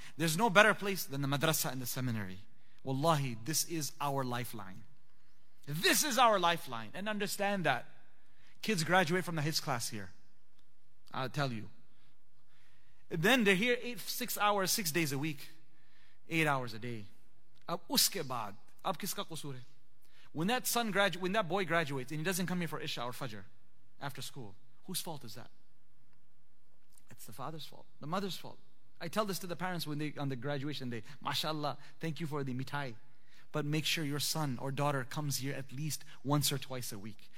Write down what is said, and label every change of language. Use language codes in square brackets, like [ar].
[en] There's no better place than the madrasa and the seminary. Wallahi, this is our lifeline. This is our lifeline. And understand that. Kids graduate from the HITS class here. I'll tell you. Then they're here 6 hours, 6 days a week. 8 hours a day. [ur] اب اس کے بعد، اب کس کا قصور ہے؟ [en] When that boy graduates and he doesn't come here for Isha or Fajr after school, whose fault is that? It's the father's fault, the mother's fault. I tell this to the parents when they on the graduation day. MashaAllah, thank you for the mitai. But make sure your son or daughter comes here at least once or twice a week.